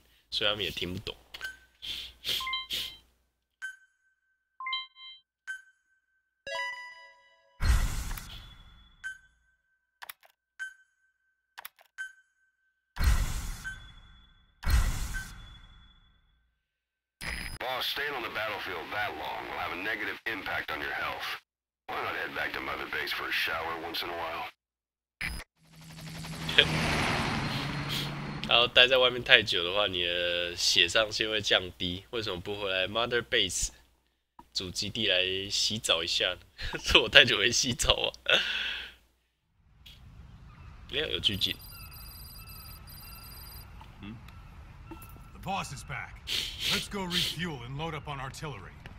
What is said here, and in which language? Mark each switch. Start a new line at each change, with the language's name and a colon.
Chinese: 这两个医生说也不知道那些耳机塞到他们喉咙里的耳机是在播放什么，因为没有英文的版本，所以他们也听不懂。
English: Staying on the battlefield that long will have a negative impact on your health. Why not head back to Mother Base for a shower once in a while?
Chinese: 然后待在外面太久的话，你的血上限会降低。为什么不回来 Mother Base 主基地来洗澡一下？是我太久没洗澡啊。没有，有剧情。
English: The boss is back. Let's go refuel and load up on artillery.